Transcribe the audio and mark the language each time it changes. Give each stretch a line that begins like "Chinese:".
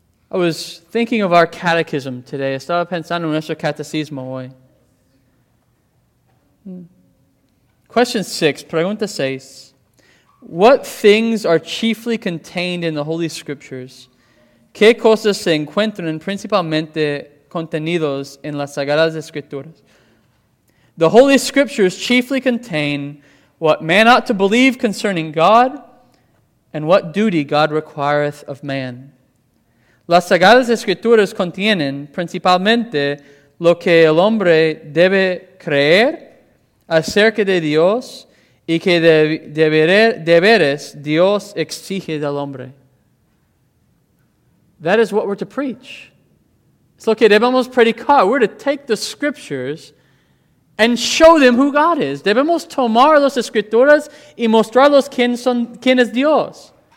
English: I was thinking of our catechism today.
Spanish: Estaba pensando en nuestro catecismo hoy.
English: Question 6,
Spanish: pregunta 6.
English: What things are chiefly contained in the Holy Scriptures?
Spanish: ¿Qué cosas se encuentran principalmente contenidos en las Sagradas Escrituras?
English: The Holy Scriptures chiefly contain what man ought to believe concerning God and what duty God requireth of man.
Spanish: Las Sagradas Escrituras contienen principalmente lo que el hombre debe creer acerca de Dios y que deberes Dios exige del hombre.
English: That is what we're to preach.
Spanish: Es lo que debemos predicar.
English: We're to take the Scriptures and show them who God is.
Spanish: Debemos tomar las Escrituras y mostrarlos quién es Dios.